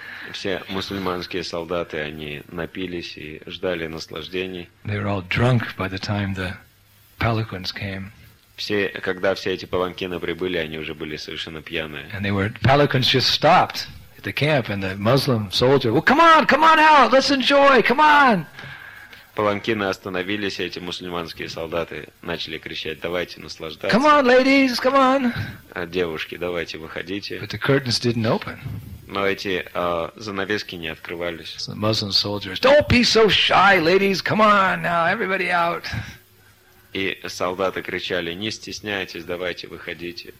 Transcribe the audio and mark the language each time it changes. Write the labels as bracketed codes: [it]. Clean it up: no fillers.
[ru] Все мусульманские солдаты, они напились и ждали наслаждений. [en] They were all drunk by the time the palanquins came. [ru] Все, когда все эти паланкины прибыли, они уже были совершенно пьяные. [en] And they were palanquins just stopped. The camp and the Muslim soldier. Well, come on out, let's enjoy, come on. [ru] Паланкины остановились, эти мусульманские солдаты начали кричать: давайте наслаждаться. [en] Come on, ladies, come on. [ru] Девушки, давайте выходите. [en] But the curtains didn't open. [ru] Но эти занавески не открывались. [en] So the Muslim soldiers, don't be so shy, ladies, come on now, everybody out. [ru] И солдаты кричали: не стесняйтесь, давайте выходите.